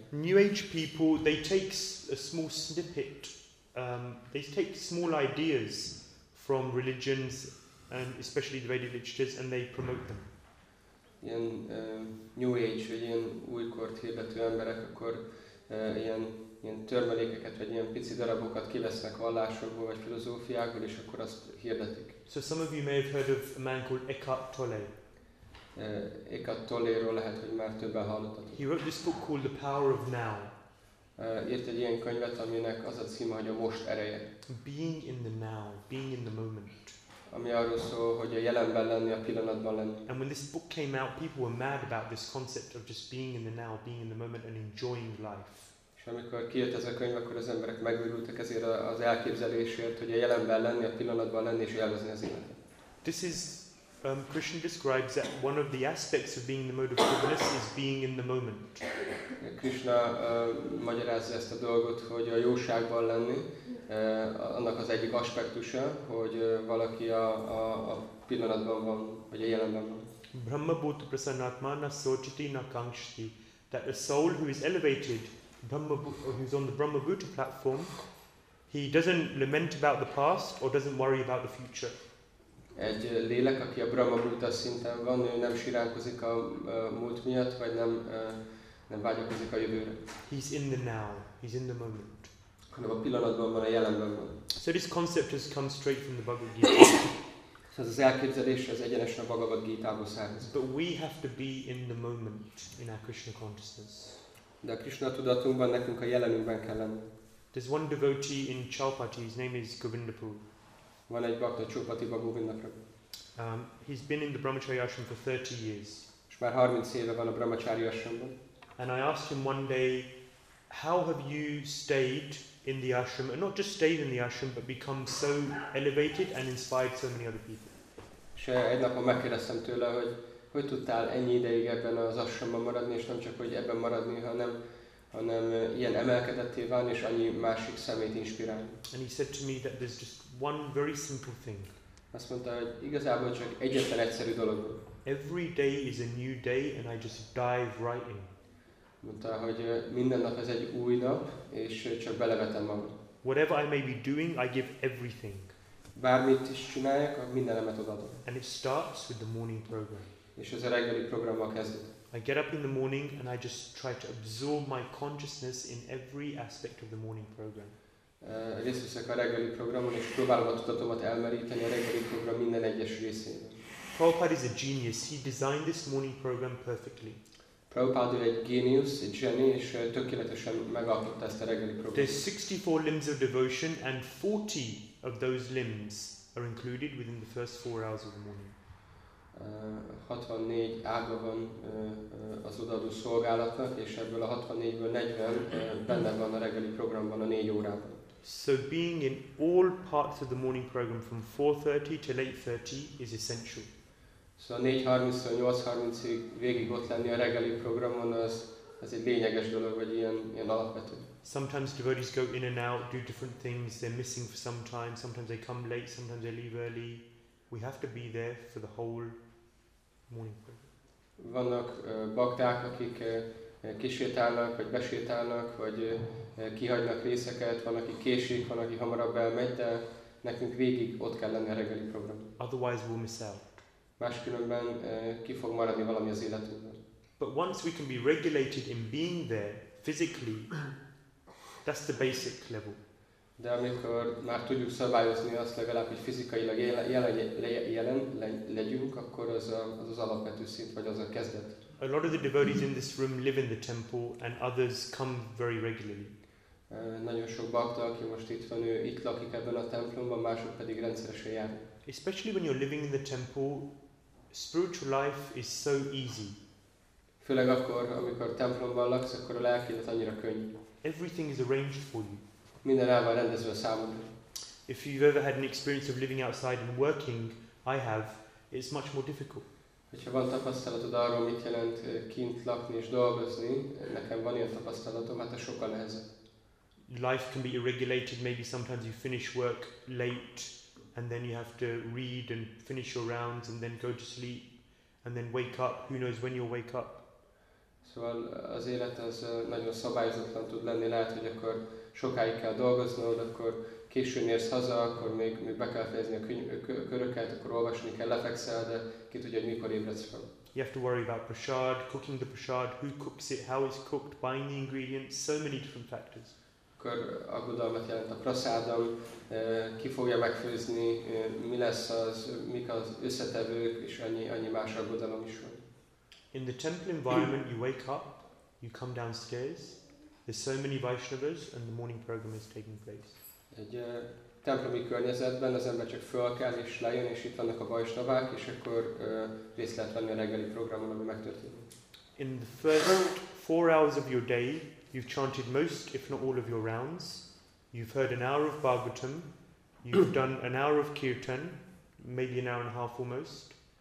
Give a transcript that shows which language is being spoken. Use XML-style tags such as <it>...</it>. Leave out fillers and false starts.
<en>New Age people, they take a small snippet. They take small ideas from religions and especially the Vedic literatures, and they promote them.</en> <hu>Ilyen New Age, vagy ilyen újkort hirdető emberek, akkor ilyen törmelékeket, vagy ilyen pici darabokat kivesznek vallásokból, vagy filozófiákból, és akkor azt hirdetik.</hu> <en>So some of you may have heard of a man called Eckhart Tolle.</en> <hu>Eckhart Tolle-ról lehet, hogy már többen hallottatok.</hu> <en>He wrote this book called The Power of Now.</en> <hu>Írt egy ilyen könyvet, aminek az a címe, hogy a most ereje.</hu> <en>Being in the now, being in the moment.</en> <hu>Ami arról szól, hogy a jelenben lenni, a pillanatban lenni.</hu> <en>And when this book came out, people were mad about this concept of just being in the now, being in the moment and enjoying life.</en> <hu>És amikor kijött ez a könyv, akkor az emberek megvirultak ezért az elképzelésért, hogy a jelenben lenni, a pillanatban lenni és élvezni az életet.</hu> <en>This is, Krishna describes that one of the aspects of being in the mode of goodness is being in the moment.</en> <hu>Krishna magyarázza ezt a dolgot, hogy a jóságban lenni, annak az egyik aspektusa, hogy valaki a pillanatban van, vagy a jelenben van.</hu> <sa>Brahma bhuta prasannatma na sochati na kankshati.</sa> <en>That a soul who is elevated, who is on the Brahma bhuta platform, he doesn't lament about the past or doesn't worry about the future.</en> <hu>Egy lélek, aki a Brahma bhuta szinten van, ő nem siránkozik a múlt miatt, vagy nem vágyakozik a jövőre.</hu> <en>He's in the now, he's in the moment.</en> <hu>Hanem a pillanatban van, a jelenben van.</hu> <en>So this concept has come straight from the Bhagavad Gita.</en> <hu>Szóval az elképzelés az egyenesen a Bhagavad Gita-ból származik.</hu> <en>But we have to be in the moment in our Krishna consciousness.</en> <hu>De a Krishna tudatunkban nekünk a jelenünkben kell lenni.</hu> <en>There's one devotee in Chaupati, his name is Govindapur.</en> <hu>Van egy bhakta Chaupatiba Govindapur.</hu> <en>He's been in the Brahmacharya Ashram for 30 years.</en> <hu>És már 30 éve van a Brahmacharya Ashramban.</hu> <en>And I asked him one day, how have you stayed in the ashram, and not just stayed in the ashram, but become so elevated and inspired so many other people?</en> <hu>És egy napon megkérdeztem tőle, hogy tudtál ennyi ideig ebben az ashramban maradni, és nem csak hogy ebben maradni, hanem ilyen emelkedetté válni, és annyi másik szemét inspirálni.</hu> <en>And he said to me that there's just one very simple thing.</en> <hu>Azt mondta, hogy igazából csak egyetlen egyszerű dolog.</hu> <en>Every day is a new day, and I just dive right in.</en> <hu>Mondta, hogy minden nap ez egy új nap, és csak belevetem magam.</hu> <en>Whatever I may be doing, I give everything.</en> <hu>Bármit is csináljak, mindenemet odaadom.</hu> <en>And it starts with the morning program.</en> <hu>És ez a reggeli programmal kezdődik.</hu> <en>I get up in the morning, and I just try to absorb my consciousness in every aspect of the morning program.</en> <hu>Részt veszek a reggeli programon, és próbálom a tudatomat elmeríteni a reggeli program minden egyes részén.</hu> <en>Prabhupada is a genius. He designed this morning program perfectly.</en> <hu>Prabhupada egy genius, egy zseni, és tökéletesen megalkotta ezt a reggeli programot.</hu> <en>There's 64 limbs of devotion, and 40 of those limbs are included within the first 4 hours of the morning.</en> <hu>64 ága van az odaadó szolgálatnak, és ebből a 64-ből 40 benne van a reggeli programban a 4 órában.</hu> <en>So being in all parts of the morning program from 4:30 to 8:30 is essential.</en> <hu>Szóval 4:30-től 8:30-ig végig ott lenni a reggeli programon, az egy lényeges dolog, vagy ilyen alapvető.</hu> <en>Sometimes devotees go in and out, do different things, they're missing for some time, sometimes they come late, sometimes they leave early. We have to be there for the whole morning program.</en> <hu>Vannak bakták, akik kisétálnak, vagy besétálnak, vagy kihagynak részeket, van, aki késik, van, aki hamarabb elmegy, de nekünk végig ott kell lenni a reggeli program.</hu> <en>Otherwise we'll miss out.</en> <hu>Máskülönben ki fog maradni valami az életünkben.</hu> <en>But once we can be regulated in being there physically, that's the basic level.</en> <hu>De amikor már tudjuk szabályozni azt, legalább hogy fizikailag jelen legyünk, akkor az alapvető szint, vagy az a kezdet.</hu> <en>A lot of the devotees in this room live in the temple, and others come very regularly.</en> <hu>Nagyon sok bakta, aki most itt van, ő itt lakik ebben a templomban, mások pedig rendszeresen jár.</hu> <en>Especially when you're living in the temple, spiritual life is so easy.</en> <hu>Főleg akkor, amikor templomban laksz, akkor a lelki élet annyira könnyű.</hu> <en>Everything is arranged for you.</en> <hu>Minden el van rendezve a számodra.</hu> <en>If you've ever had an experience of living outside and working, I have, it's much more difficult.</en> <hu>Hogyha van tapasztalatod arról, mit jelent kint lakni és dolgozni, nekem van ilyen tapasztalatom, hát ez sokkal nehezebb.</hu> <en>Life can be irregulated, maybe sometimes you finish work late, and then you have to read and finish your rounds, and then go to sleep, and then wake up, who knows when you'll wake up.</en> <hu>Szóval az élet az nagyon szabályozatlan tud lenni, lehet, hogy akkor sokáig kell dolgoznod, akkor későn érsz haza, akkor még be kell fejezni a köröket, akkor olvasni kell, lefekszel, de ki tudja, hogy mikor ébredsz fel.</hu> <en>You have to worry about prasad, cooking the prasad, who cooks it, how it's cooked, buying the ingredients, so many different factors.</en> <hu>Akkor aggodalmat jelent a prasádam, ki fogja megfőzni, mi lesz az, mik az összetevők, és annyi más aggodalom is van.</hu> <en>In the temple environment, you wake up, you come downstairs, there's so many Vaishnavas, and the morning program is taking place.</en> <hu>Egy templomi környezetben az ember csak fölkel és lejön, és itt vannak a Vaishnavák, és akkor részt lehet venni a reggeli programon, ami megtörténik.</hu> <en>In the first 4 hours of your day, you've chanted most, if not all of your rounds. You've heard an hour of Bhagavatam. You've done an hour of Kirtan, maybe an hour and a half almost.</en>